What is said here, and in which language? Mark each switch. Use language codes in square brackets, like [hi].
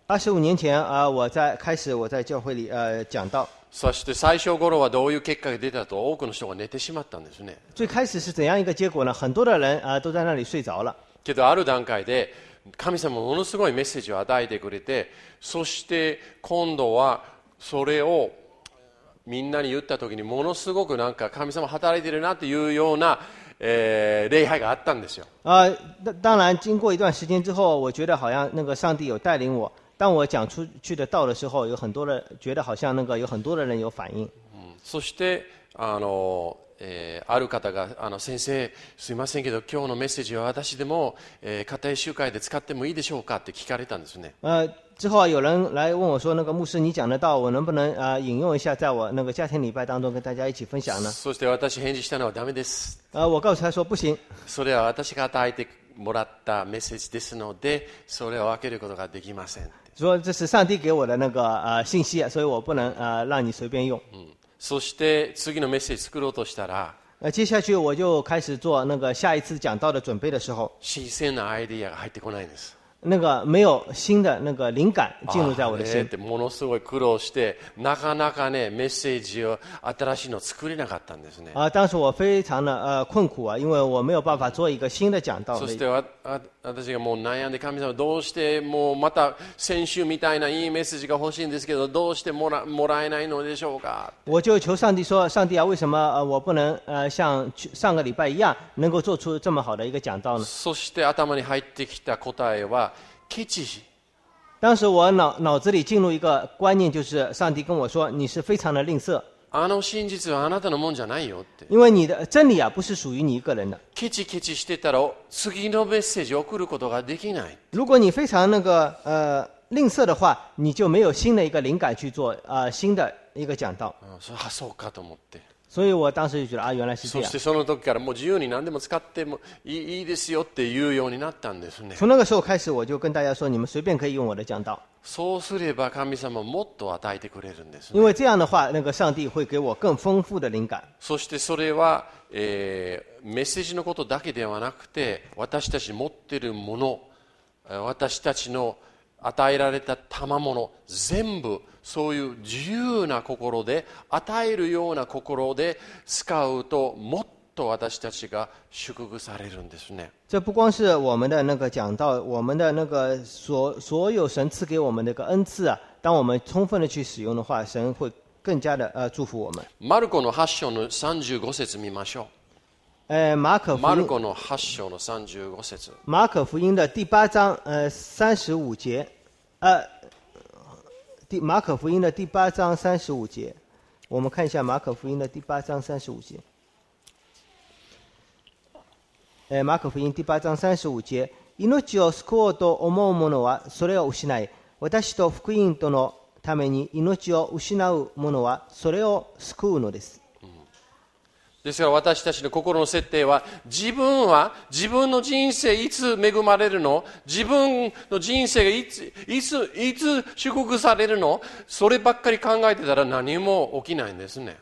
[zh] 25年前啊，我在教会里讲到。 [ja] そして最初頃はどういう結果が出たと、多くの人が寝てしまったんですね。 [zh] 最開始是怎样一个结果呢？很多的人都在那里睡着了。 [ja] けどある段階で神様ものすごいメッセージを与えてくれて、そして今度はそれをみんなに言った時に、ものすごくなんか神様働いてるなというような礼拝があったんですよ。 [zh] 当然经过一段时间之后，我觉得好像那个上帝有带领我。当我讲出去的道的时候，有很多人觉得好像那个有很多的人有反应。 [ja] そしてある方が先生すいませんけど、今日のメッセージは私でも家庭集会で使ってもいいでしょうかって聞かれたんですね。 [zh] 之后有人来问我说，那个牧师你讲的道，我能不能引用一下，在我那个家庭礼拜当中跟大家一起分享呢？ [ja] そして私返事したのはダメです。 [zh] 我告诉他说不行。 [ja] それは私が与えてもらったメッセージですので、それを分けることができません。 [zh] 说这是上帝给我的那个信息，所以我不能让你随便用。 [ja] そして次のメッセージ作ろうとしたら、 [zh] 接下去我就开始做那个下一次讲道的准备的时候， [ja] 新鮮なアイデアが入ってこないんです。 [zh] 那个没有新的那个灵感进入在我的心。 [ja] ってものすごい苦労して、なかなかねメッセージを新しいの作れなかったんですね。 [zh] 当时我非常的困苦啊，因为我没有办法做一个新的讲道。 [ja] そして私がもう悩んで、神様どうしてもうまた先週みたいないいメッセージが欲しいんですけど、どうしてもらえないのでしょうか。 [zh] 我就求上帝说，上帝啊，为什么我不能像上个礼拜一样能够做出这么好的一个讲道呢？ [ja] そして頭に入ってきた答えは、ケチ。 [zh] 当时我 脑子里进入一个观念，就是上帝跟我说，你是非常的吝啬。 [ja] あの真実はあなたのもんじゃないよって。 [zh] 因为你的真理啊，不是属于你一个人的。 [ja] ケチケチしてたら次のメッセージ送ることができない。 [zh] 如果你非常那个吝啬的话，你就没有新的一个灵感去做新的一个讲道。 [ja] そうかと思って。 [zh] 所以我当时就觉得原来是这样。 [ja] そしてその時からもう自由に何でも使ってもいいですよって言うようになったんですね。 [zh] 从那个时候开始，我就跟大家说，你们随便可以用我的讲道。 [ja] そうすれば神様もっと与えてくれるんですね。 [zh] 因为这样的话，那个上帝会给我更丰富的灵感。 [ja] そしてそれは、メッセージのことだけではなくて、私たち持ってるもの、私たちの与えられた賜物、全部そういう自由な心で与えるような心で使うと、もっと私たちが祝福されるんですね。 [zh] 这不光是我们的那个讲道，我们的那个所有神赐给我们的一个恩赐啊，当我们充分的去使用的话，神会更加的祝福我们。 [ja] マルコの8章の35節見ましょう。マルコの8章の35節。 [zh] マーク福音的第八章35节。马可福音的第八章三十五节，我们看一下马可福音的第八章三十五节。马可福音第八章三十五节， [ja] 命を救おうと思う者はそれを失い、私と福音とのために命を失う者はそれを救うのです。ですから私たちの心の設定は、自分は自分の人生いつ恵まれるの、自分の人生がいつ祝福されるの、そればっかり考えてたら何も起きないんですね。